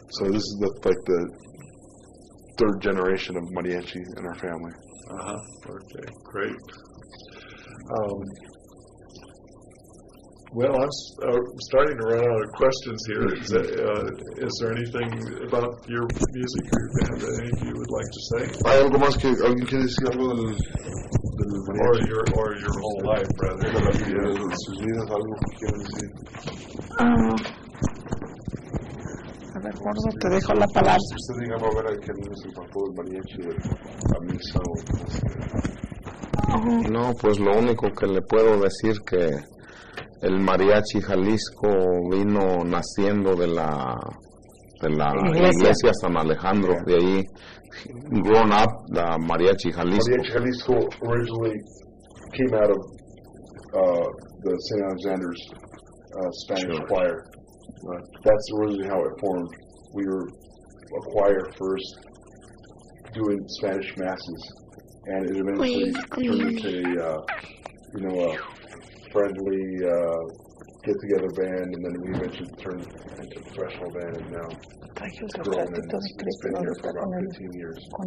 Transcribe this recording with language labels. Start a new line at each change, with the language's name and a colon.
English: So this is the third generation of mariachi in our family. Uh-huh. Okay. Great. Well, I'm starting to run out of questions here. Is there anything about your music or your band that any of you would like to say?
Spanish: Hay algo más que alguien quiere decir algo del mariachi.
English: Or your whole life, rather.
Spanish: De las vidas, de sus vidas, algo que quiero decir. Recuerdo, te dejo la palabra. Si usted diga, va a ver a quién es el papá del mariachi de la misa o... No, pues lo único que le puedo decir que el mariachi Jalisco vino naciendo de la iglesia San Alejandro, yeah. De ahí,
English: grown up,
Spanish: la mariachi Jalisco.
English: Mariachi Jalisco originally came out of the St. Alexander's Spanish sure. choir. That's originally how it formed. We were a choir first doing Spanish masses, and it eventually turned into a friendly get-together band, and then we eventually turned into a professional band, and now it's been here for about 15 years.